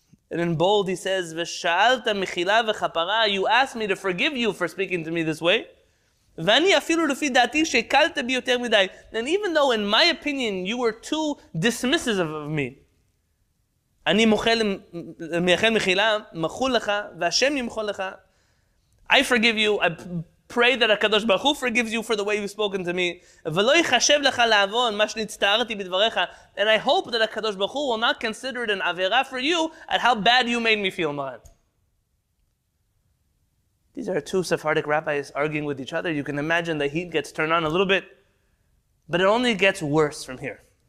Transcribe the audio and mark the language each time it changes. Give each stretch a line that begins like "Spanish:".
English: And in bold he says,
Hebrew: ושאלת מחילה וחפרה,
English: you asked me to forgive you for speaking to me this way,
Hebrew: ואני אפילו לפי דעתי שקלת בי יותר מדי.
English: And even though in my opinion you were too dismissive of me,
Hebrew: אני מייחל מחילה, מחול לך, והשם ימחול לך,
English: I forgive you, pray that HaKadosh Baruch Hu forgives you for the way you've spoken to me.
Hebrew: ולא יחשב לך לעוון מה שנצטערתי בדבריך.
English: And I hope that HaKadosh Baruch Hu will not consider it an avera for you at how bad you made me feel, Maran. These are two Sephardic rabbis arguing with each other. You can imagine the heat gets turned on a little bit. But it only gets worse from here.